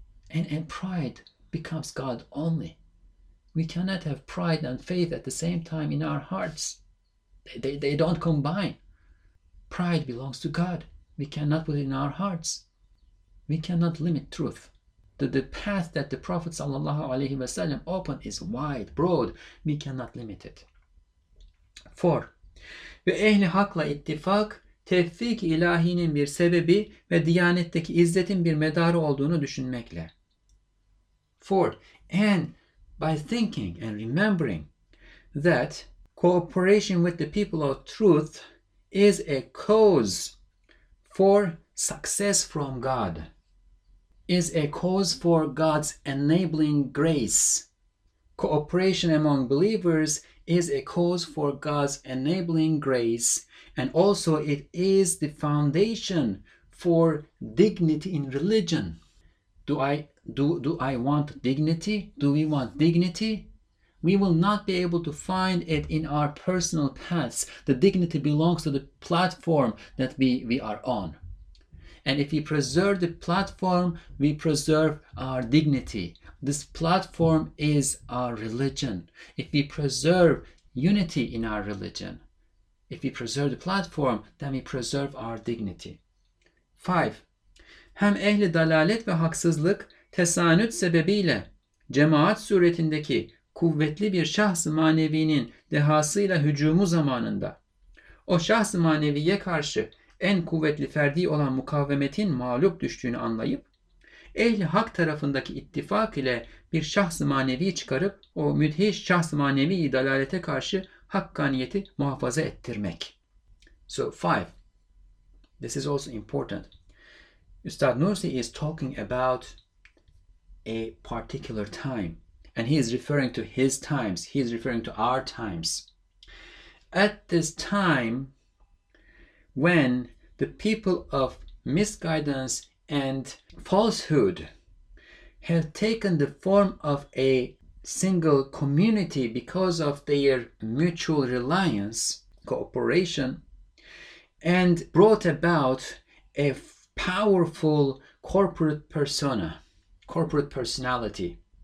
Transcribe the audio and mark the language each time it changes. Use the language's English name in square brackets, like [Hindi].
[English] And pride becomes God only. We cannot have pride and faith at the same time in our hearts. They don't combine. Pride belongs to God. We cannot put it in our hearts. We cannot limit truth. The path that the Prophet ﷺ opened is wide, broad. We cannot limit it. 4. [Turkish] Ve ehli hakla ittifak, tevfik ilahinin bir sebebi ve diyanetteki izzetin bir medarı olduğunu düşünmekle. [English] 4. And by thinking and remembering that cooperation with the people of truth is a cause for success from God, is a cause for God's enabling grace. Cooperation among believers is a cause for God's enabling grace, and also it is the foundation for dignity in religion. Do I want dignity? Do we want dignity? We will not be able to find it in our personal paths. The dignity belongs to the platform that we are on. And if we preserve the platform, we preserve our dignity. This platform is our religion. If we preserve unity in our religion, if we preserve the platform, then we preserve our dignity. 5. [Turkish] Hem ehli dalalet ve haksızlık tesanüt sebebiyle cemaat suretindeki kuvvetli bir şahs-ı manevinin dehasıyla hücumu zamanında o şahs-ı maneviye karşı en kuvvetli ferdi olan mukavemetin mağlup düştüğünü anlayıp ehli hak tarafındaki ittifak ile bir şahs-ı manevi çıkarıp o müdhiş şahs-ı manevi dalalete karşı hakkaniyeti muhafaza ettirmek. [English] So 5. This is also important. Üstad Nursi is talking about a particular time, and he is referring to his times, he is referring to our times. At this time, when the people of misguidance and falsehood have taken the form of a single community because of their mutual reliance, cooperation, and brought about a powerful corporate persona, corporate personality,